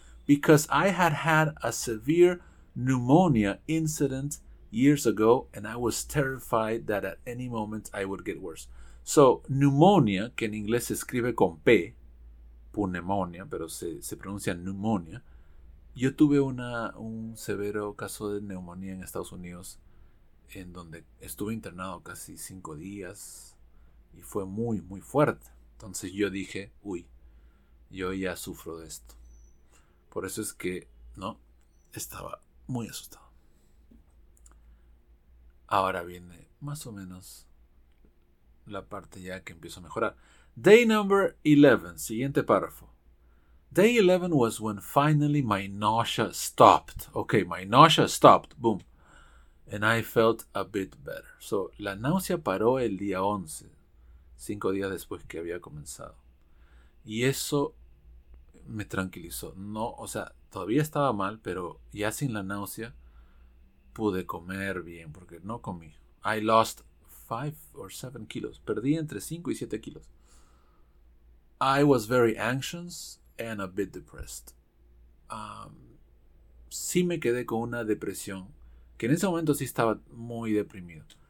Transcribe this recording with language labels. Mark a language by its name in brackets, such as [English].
[English] Because I had a severe pneumonia incident years ago and I was terrified that at any moment I would get worse. [Spanish] So, pneumonia, que en inglés se escribe con P, pneumonia, pero se pronuncia pneumonia. Yo tuve un severo caso de neumonía en Estados Unidos, en donde estuve internado casi 5 días y fue muy, muy fuerte. Entonces yo dije, uy, yo ya sufro de esto. Por eso es que, ¿no?, estaba muy asustado. Ahora viene más o menos la parte ya que empiezo a mejorar. [English] Day number 11, [Spanish] siguiente párrafo. [English] Day 11 was when finally my nausea stopped. Okay, my nausea stopped. Boom. And I felt a bit better. [Spanish] So, la náusea paró el día 11, 5 días después que había comenzado. Y eso me tranquilizó. No, o sea, todavía estaba mal, pero ya sin la náusea pude comer bien, porque no comí. [English] I lost 5 or 7 kilos. [Spanish] Perdí entre 5 y 7 kilos. [English] I was very anxious and a bit depressed. [Spanish] Sí me quedé con una depresión, que en ese momento sí estaba muy deprimido.